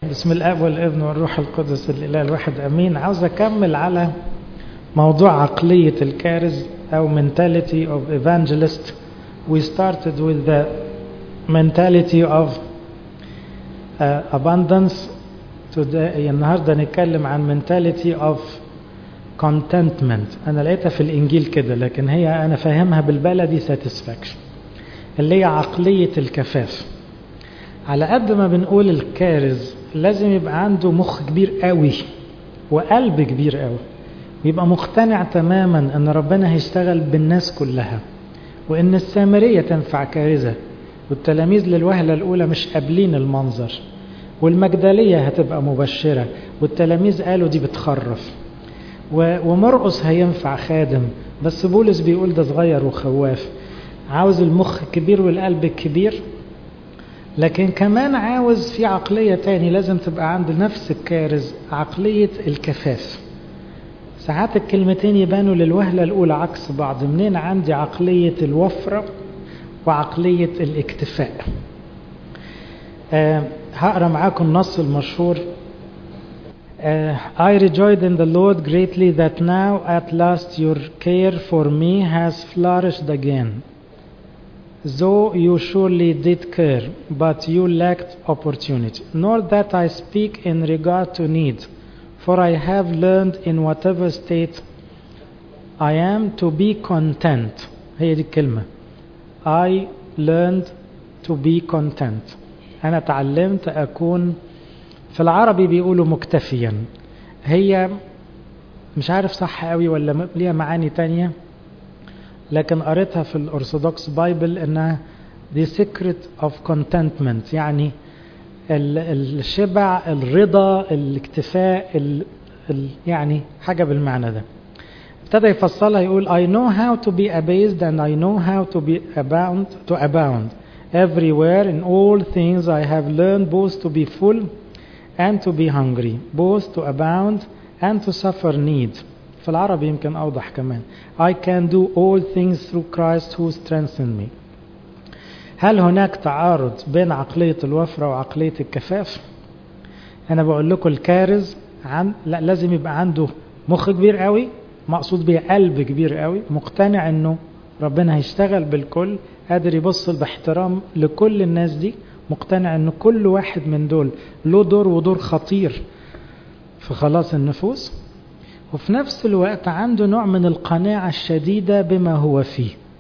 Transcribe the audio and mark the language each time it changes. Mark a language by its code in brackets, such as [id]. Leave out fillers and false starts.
[ar] بسم الأب والابن والروح القدس الإله الواحد أمين. عاوز أكمل على موضوع عقلية الكارز أو [en] mentality of evangelist. We started with the mentality of abundance. Today, [ar] النهاردة نتكلم عن [en] mentality of contentment. [ar] أنا لقيتها في الإنجيل كده لكن هي أنا فاهمها بالبلدي satisfaction اللي هي عقلية الكفاف. على قد ما بنقول الكارز لازم يبقى عنده مخ كبير قوي وقلب كبير قوي ويبقى مقتنع تماما ان ربنا هيشتغل بالناس كلها وان السامرية تنفع كارزة والتلاميذ للوهلة الاولى مش قابلين المنظر والمجدلية هتبقى مبشرة والتلاميذ قالوا دي بتخرف ومرقص هينفع خادم بس بولس بيقول ده صغير وخواف. عاوز المخ كبير والقلب كبير لكن كمان عاوز في عقلية تاني لازم تبقى عند نفس الكارز عقلية الكفاف. ساعات الكلمتين يبانوا للوهلة الأولى عكس بعض. منين عندي عقلية الوفرة وعقلية الاكتفاء؟ هقرأ معاكم النص المشهور. [en] I rejoiced in the Lord greatly that now at last your care for me has flourished again. Though you surely did care, but you lacked opportunity. Nor that I speak in regard to need, for I have learned in whatever state I am to be content. [ar] هي دي الكلمة. [en] I learned to be content. [ar] أنا تعلمت أكون في العربي بيقولوا مكتفيا. هي مش عارف صح قوي ولا ليها معاني تانية لكن قريتها في الأرثوذكس بايبل إنها [en] the secret of contentment [ar] يعني الشبع الرضا الاكتفاء يعني حاجة بالمعنى ده. ابتدى يفصلها يقول [en] I know how to be abased and I know how to be abound to abound everywhere in all things I have learned both to be full and to be hungry both to abound and to suffer need. [ar] في العربي يمكن أوضح كمان. [en] I can do all things through Christ who strengthens me. [ar] هل هناك تعارض بين عقلية الوفرة وعقلية الكفاف؟ أنا بقول لكم الكارز عن لا لازم يبقى عنده مخ كبير قوي مقصود به قلب كبير قوي مقتنع أنه ربنا هيشتغل بالكل قادر يبصل باحترام لكل الناس دي مقتنع أنه كل واحد من دول له دور ودور خطير في خلاص النفوس وفي نفس الوقت عنده نوع من القناعة الشديدة بما هو فيه.